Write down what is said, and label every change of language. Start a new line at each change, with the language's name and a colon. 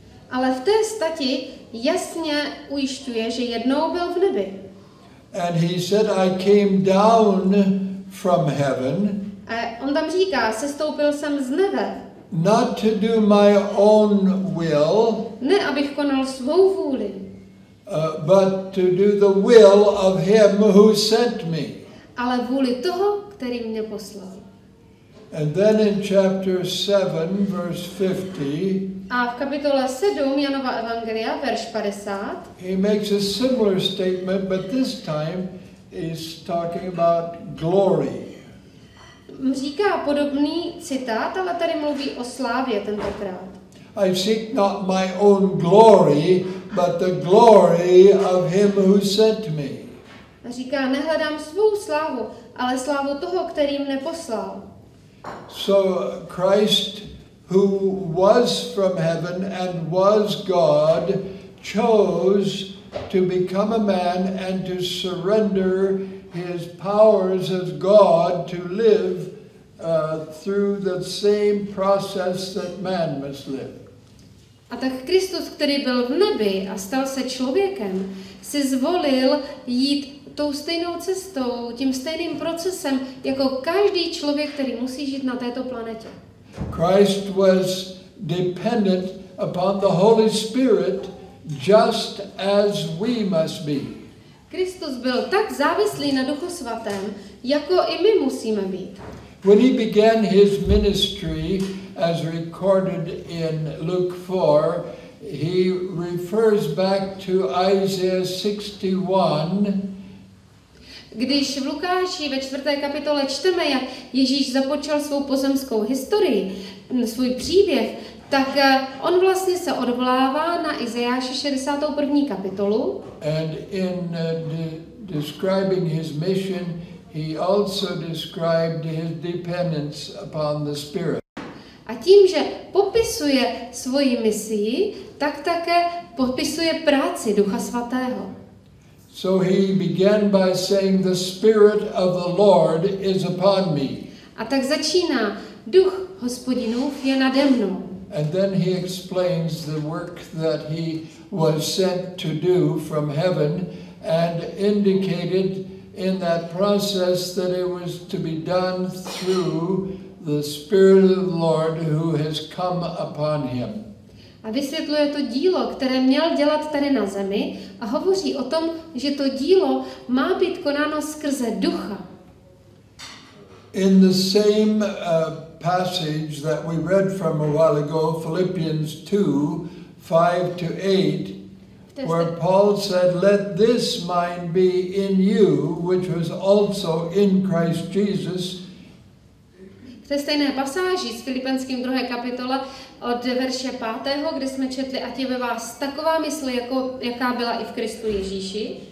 Czech: Ale v té stati jasně ujišťuje, že jednou byl v nebi.
English: And he said, I came down from heaven.
Czech: A on tam říká, sestoupil jsem z nebe.
English: Not to do my own will.
Czech: Ne, abych konal svou vůli.
English: But to do the will of him who sent me.
Czech: Ale vůli toho, který mě poslal.
English: And then in chapter 7, verse 50.
Czech: A v kapitole 7 Janova evangelia, verš 50.
English: He makes a similar statement, but this time he's talking about glory.
Czech: Říká podobný citát, ale tady mluví o slávě tentokrát.
English: I seek not my own glory, but the glory of him who sent me.
Czech: Říká, nehledám svou slávu, ale slávu toho, který mne poslal.
English: So Christ, who was from heaven and was God, chose to become a man and to surrender his powers as God to live through the same process that man must live.
Czech: A tak Kristus, který byl v nebi a stal se člověkem, si zvolil jít tou stejnou cestou, tím stejným procesem, jako každý člověk, který musí žít na této planetě.
English: Christ was dependent upon the Holy Spirit just as we must be.
Czech: Kristus byl tak závislý na Duchu Svatém, jako i my musíme být.
English: When he began his ministry, as recorded in Luke 4, he refers back to Isaiah 61.
Czech: Když v Lukáši ve 4. kapitole čteme, jak Ježíš započal svou pozemskou historii, svůj příběh, tak on vlastně se odvolává na Izajáše 61. kapitolu.
English: And in describing his mission, he also described his dependence upon the Spirit.
Czech: A tím, že popisuje svoji misii, tak také popisuje práci Ducha Svatého.
English: So he began by saying, the Spirit of the Lord is upon me.
Czech: A tak začíná, Duch Hospodinův je nade mnou.
English: And then he explains the work that he was sent to do from heaven and indicated in that process that it was to be done through the Spirit of the Lord who has come upon him.
Czech: A vysvětluje to dílo, které měl dělat tady na zemi a hovoří o tom, že to dílo má být konáno skrze Ducha.
English: In the same passage that we read from a while ago, Philippians 2:5-8, where Paul said, let this mind be in you, which was also in Christ Jesus.
Czech: V té stejné pasáži s Filipenským 2. kapitole od verše 5., kde jsme četli, ať je ve vás taková mysl, jako, jaká byla i v Kristu Ježíši.